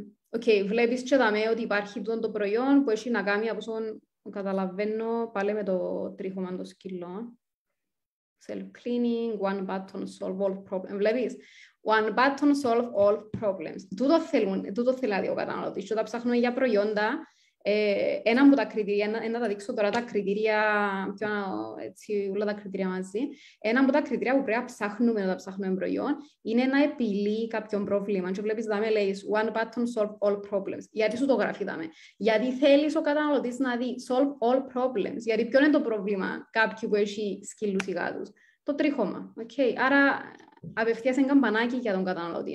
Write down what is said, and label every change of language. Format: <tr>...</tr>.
<el>Okay, βλέπεις και δαμέ ότι υπάρχει τούτο το προϊόν που έχει να κάνει, όπως καταλαβαίνω, πάλι με το τρίχωμα των σκυλών.</el> <en>self-cleaning, one button solve all problems.</en> <el>Βλέπεις,</el> <en>one button solve all problems.</en> <el>Τούτο θέλουν, τούτο θέλει ο καταναλωτής. Όταν ψάχνουμε για προϊόντα, ένα από τα κριτήρια, να τα δείξω τώρα τα κριτήρια, έτσι όλα τα κριτήρια μαζί, ένα από τα κριτήρια που πρέπει να ψάχνουμε όταν ψάχνουμε προϊόν, είναι να επιλύει κάποιον πρόβλημα. Και βλέπεις, δάμε, λέεις,</el> <en>one button solve all problems.</en> <el>Γιατί σου το γράφει, δάμε. Γιατί θέλεις ο καταναλωτής να δει</el> <en>solve all problems.</en> <el>Γιατί ποιο είναι το πρόβλημα κάποιου που έχει σκύλους ή γάτους. Το τρίχωμα. Okay. Άρα, απευθείας ένα καμπανάκι για τον καταναλωτή.</el>